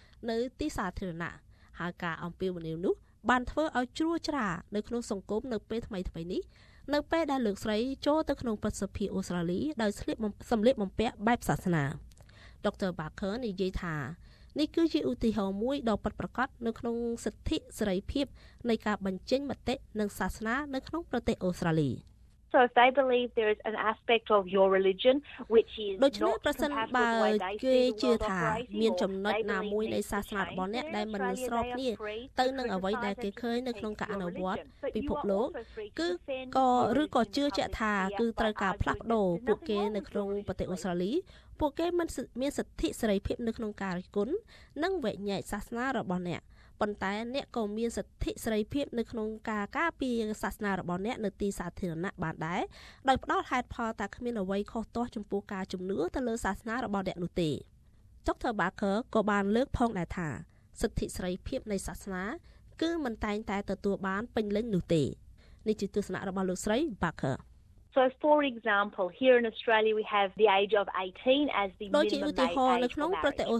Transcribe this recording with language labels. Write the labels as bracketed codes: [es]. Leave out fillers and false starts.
[km] នៅទីសាធារណៈហើយការអំពាវនាវនោះបានធ្វើឲ្យជ្រួចជ្រានៅក្នុងសង្គមនៅពេលថ្មីៗនេះនៅពេលដែលលោកស្រីចូលទៅក្នុងព្រឹទ្ធសភាអូស្ត្រាលីដោយស្លៀកសម្លៀកបំពាក់បែបសាសនាដុកទ័របាខឺនិយាយថានេះគឺជាឧទាហរណ៍មួយដ៏ពិតប្រាកដនៅក្នុងសិទ្ធិសេរីភាពនៃការបញ្ចេញមតិនិងសាសនានៅក្នុងប្រទេសអូស្ត្រាលី [en] So if they believe there is an aspect of your religion which is [km] ដូច្នេះប្រសិនបើគេជឿថាមានចំណុចណាមួយនៃសាសនារបស់អ្នកដែលមិនស្របគ្នាទៅនឹងអ្វីដែលគេឃើញនៅក្នុងការអនុវត្តពិភពលោកគឺក៏ឬក៏ជឿជាក់ថាគឺត្រូវការផ្លាស់ប្ដូរពួកគេនៅក្នុងប្រទេសអូស្ត្រាលីពួកគេមិនមានសិទ្ធិសេរីភាពនៅក្នុងការរិះគន់ និងវិញ្ញាណសាសនារបស់អ្នកប៉ុន្តែអ្នកក៏មានសិទ្ធិសេរីភាពនៅក្នុងការការពារសាសនារបស់អ្នកនៅទីសាធារណៈបានដែរដោយផ្ដោតហេតុផលតែគ្មានអ្វីខុសទាស់ចំពោះការជំនឿទៅលើសាសនារបស់អ្នកនោះទេចុកធ័របាខឺក៏បានលើកផងដែរថាសិទ្ធិសេរីភាពនៃសាសនាគឺមិនតែងតែទទួលបានពេញលេញនោះទេនេះជាទស្សនៈរបស់លោកស្រីបាខឺ [en] So So, for example, here in Australia, we have the age of 18 as the minimum age for marriage.